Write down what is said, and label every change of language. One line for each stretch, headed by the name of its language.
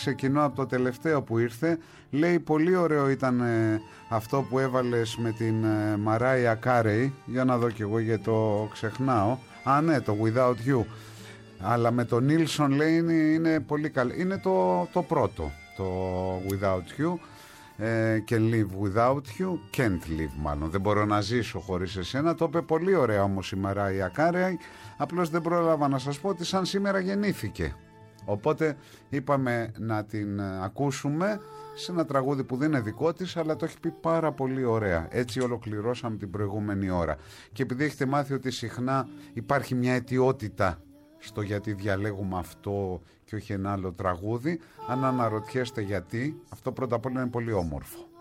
Greek: Ξεκινώ από το τελευταίο που ήρθε. Λέει, πολύ ωραίο ήταν αυτό που έβαλες με την Μαράια Κάρεϊ. Για να δω κι εγώ, γιατί το ξεχνάω. Α, ναι, το Without You. Αλλά με τον Νίλσον λέει είναι πολύ καλό. Είναι το πρώτο, το Without You.
English: Can live without you, can't live
Greek: μάλλον. Δεν μπορώ να ζήσω χωρίς εσένα. Το είπε πολύ ωραία όμως η Μαράια Κάρεϊ. Απλώς δεν πρόλαβα να σας πω ότι σαν σήμερα γεννήθηκε. Οπότε είπαμε να την ακούσουμε σε ένα τραγούδι που δεν είναι δικό της, αλλά το έχει πει πάρα πολύ ωραία. Έτσι ολοκληρώσαμε την προηγούμενη ώρα. Και επειδή έχετε μάθει ότι συχνά υπάρχει μια αιτιότητα στο γιατί διαλέγουμε αυτό και όχι ένα άλλο τραγούδι, αν αναρωτιέστε γιατί, αυτό πρώτα απ' όλα είναι πολύ όμορφο.